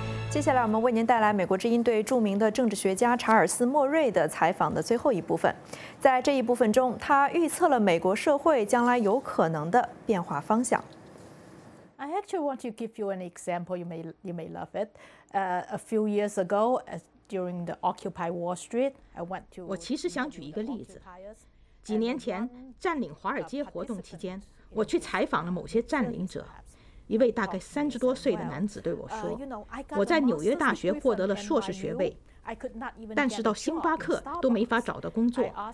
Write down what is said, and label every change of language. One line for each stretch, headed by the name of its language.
Chinese: 接下来我们为您带来美国之音对著名的政治学家查尔斯·莫瑞的采访的最后一部分。在这一部分中，他预测了美国社会将来有可能的变化方向。
English: I actually want to give you an example. You may love it. A few years ago, during the Occupy Wall Street, I went to.
Chinese: 我其实想举一个例子。几年前占领华尔街活动期间，我去采访了某些占领者。一位大概30多岁的男子对我说，我在纽约大学获得了硕士学位，但是到星巴克都没法找到工作。